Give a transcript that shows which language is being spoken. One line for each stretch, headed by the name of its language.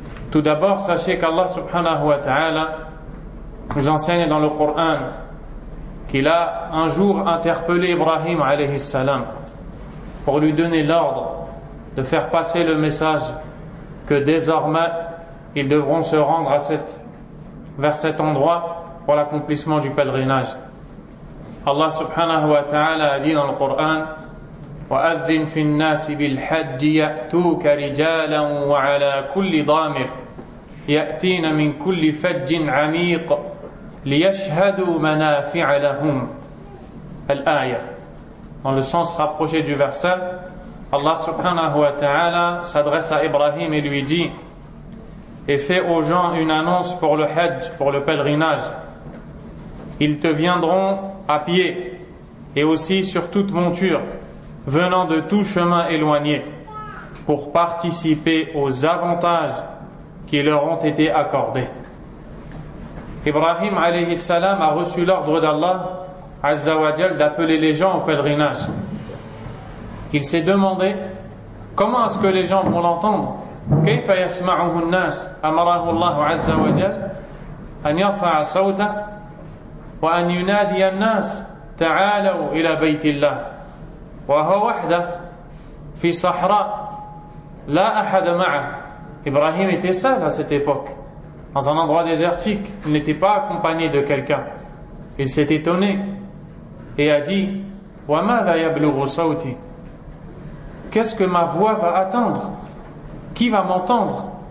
French: Tout d'abord, sachez qu'Allah subhanahu wa ta'ala nous enseigne dans le Coran qu'il a un jour interpellé Ibrahim alayhi salam pour lui donner l'ordre de faire passer le message que désormais ils devront se rendre vers cet endroit pour l'accomplissement du pèlerinage. Allah subhanahu wa ta'ala a dit dans le Coran:
Arabic: وَأَذِّنْ فِي النَّاسِ بِالْحَجِّ يَأْتُوكَ رِجَالًا وَعَلَى كُلِّ ضَامِرٍ يَأْتِينَ مِنْ كُلِّ فَجٍّ عَمِيقٍ لِيَشْهَدُوا مَنَافِعَ لَهُمْ الْآيَة.
French: Dans le sens rapproché du verset, Allah subhanahu wa ta'ala s'adresse à Ibrahim et lui dit: et fais aux gens une annonce pour le hajj, pour le pèlerinage. Ils te viendront à pied et aussi sur toute monture, venant de tout chemin éloigné, pour participer aux avantages qui leur ont été accordés. Ibrahim alayhi salam a reçu l'ordre d'Allah azza wa jal d'appeler les gens au pèlerinage. Il s'est demandé comment est-ce que les gens vont l'entendre.
Arabic: كيف يسمعه الناس أمره الله عز وجل أن يرفع صوته وأن ينادي الناس تعالوا إلى بيت الله وهو وحده في صحراء لا أحد معه.
French: Ibrahim était seul à cette époque, dans un endroit désertique. Il n'était pas accompagné de quelqu'un. Il s'est étonné et a dit:
Arabic: وَمَاذَا يَبْلُغُ صَوْتِي.
French: Qu'est-ce que ma voix va atteindre? Qui va m'entendre?